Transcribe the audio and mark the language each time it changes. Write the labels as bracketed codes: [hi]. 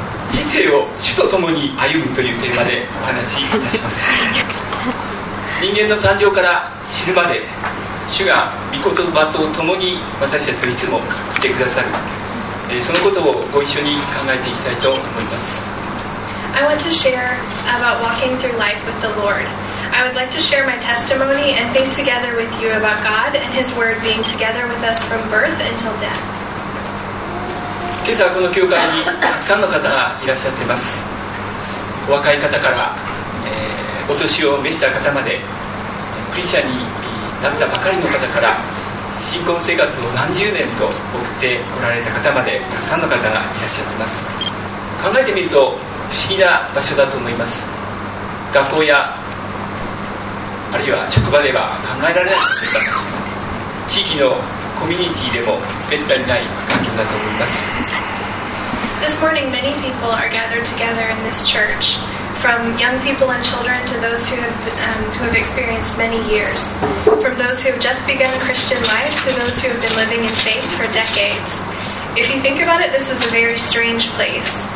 [ja] 人生を主と共に歩むというテーマでお話しいたします。人間の誕生から死ぬまで主が御言葉と共に私たちをいつもいてくださる、そのことをご一緒に考えていきたいと思います。 [en] I want to share about walking through life with the Lord. I would like to share my testimony and think together with you about God and His Word being together with us from birth until death. [ja] 今朝この教会にたくさんの方がいらっしゃっています。お若い方から、お年を召した方までクリスチャンになったばかりの方から新婚生活を何十年と送っておられた方までたくさんの方がいらっしゃっています。考えてみると不思議な場所だと思います。学校やあるいは職場では考えられないと思います。地域のコミュニティでも滅多にない環境だと思います。 [en] This morning many people are gathered together in this churchFrom young people and children to those who have experienced many years. From those who have just begun a Christian life to those who have been living in faith for decades. If you think about it, this is a very strange place.